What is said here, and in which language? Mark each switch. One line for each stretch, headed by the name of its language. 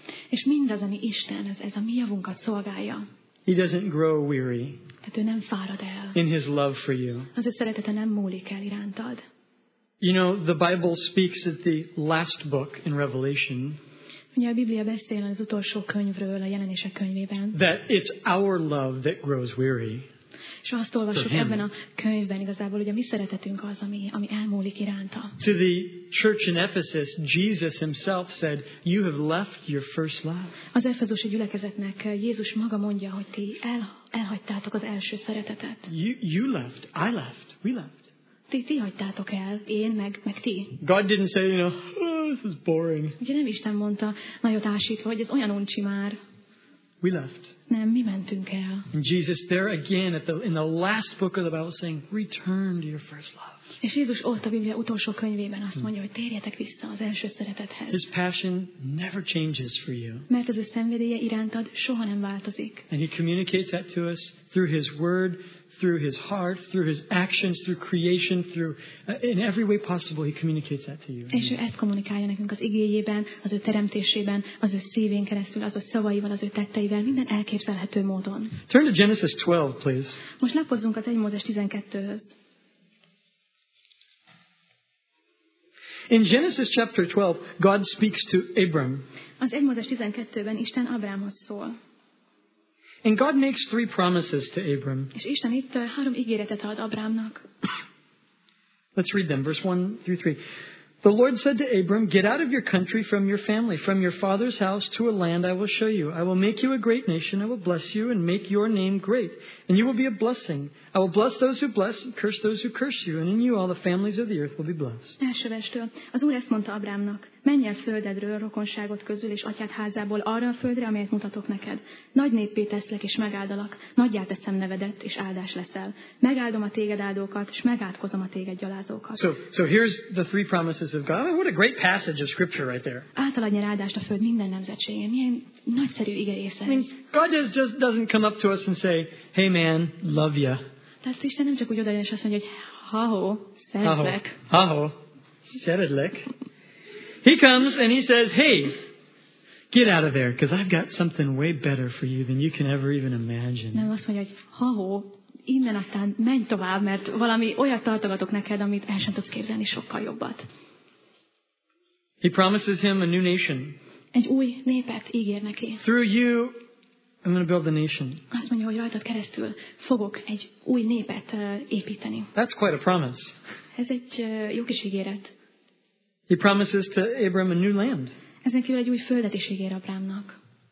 Hungarian: És mindaz, ami Isten, ez a mi javunkat szolgálja.
English: He doesn't grow weary.
Hungarian: Tehát ő nem fárad el.
English: In his love for you.
Hungarian: Az ő szeretete nem múlik el irántad.
English: You know, the Bible speaks at the last book in Revelation.
Hungarian: Ugye a Biblia beszél az utolsó könyvről, a Jelenések könyvében.
English: That it's our love that grows weary.
Hungarian: És azt olvassuk ebben a könyvben igazából, hogy a mi szeretetünk az, ami elmúlik iránta.
English: To the church in Ephesus, Jesus himself said, you have left your first love.
Hungarian: Az efezusi gyülekezetnek Jézus maga mondja, hogy ti elhagytátok az első szeretetet.
English: You left, I left, we left.
Hungarian: Ti hagytátok el, én meg ti.
English: God didn't say, you know, oh, this is boring.
Hungarian: Ugye nem Isten mondta, nagyon társítva, hogy ez olyan uncsi már.
English: We left.
Hungarian: Nem, mi mentünk el.
English: And Jesus there again at in the last book of the Bible saying, return to your first love.
Hungarian: És Jézus ott a Biblia utolsó könyvében azt mondja, hogy térjetek vissza az első szeretethez.
English: His passion never changes for you.
Hungarian: Mert az ő szenvedélye irántad soha nem változik.
English: And he communicates that to us through his word, through his heart, through his actions, through creation, through in every way possible he communicates that to you.
Hungarian: És ő ezt kommunikálja nekünk az igéjében, az ő teremtésében, az ő szívén keresztül, az ő szavaival, az ő tetteivel, minden elképzelhető módon.
English: Turn to Genesis 12, please.
Hungarian: Most lapozzunk az 1 Mózes 12-höz.
English: In Genesis chapter 12, God speaks to Abram.
Hungarian: Az 1 Mózes 12-ben Isten Abrámhoz szól.
English: And God makes three promises to Abram.
Hungarian: És Isten itt három ígéretet ad Abrámnak.
English: Let's read them, verse 1 through 3. The Lord said to Abram, get out of your country, from your family, from your father's house to a land I will show you. I will make you a great nation. I will bless you and make your name great. And you will be a blessing. I will bless those who bless and curse those who curse you. And in you all the families of the earth will be blessed.
Hungarian: Első verstől. Az Úr ezt mondta Abrámnak. Menj el földedről, rokonságot közül és atyád házából arra a földre, amelyet mutatok neked. Nagy néppé teszlek és megáldalak. Nagyjá teszem nevedet és áldás leszel. Megáldom a téged áldókat és megátkozom a téged gyalázókat.
English: So here's the three promises of God. What a great passage of scripture right there.
Hungarian: Átadni áldást a föld minden nemzetségén. Milyen nagyszerű ige része.
English: God just doesn't come up to us and say, hey man, love ya.
Hungarian: Tehát Isten nem csak úgy odajön és azt mondja, hogy ha-ho, szeretlek. Ha-ho, szeretlek.
English: He comes and he says, hey, get out of there, because I've got something way better for you than you can ever even imagine.
Hungarian: Nem azt mondja, hogy ha-ho, innen aztán menj tovább, mert valami olyat tartogatok neked, amit el sem tudsz képzelni, sokkal jobbat.
English: He promises him a new nation.
Hungarian: Egy új népet ígér neki.
English: Through you, I'm going to build a nation.
Hungarian: Azt mondja, hogy rajtad keresztül fogok egy új népet építeni.
English: That's quite a promise.
Hungarian: Ez egy jó kis ígéret.
English: He promises to Abram a new land.
Hungarian: Ezen kívül egy új földet is ígér Abrámnak.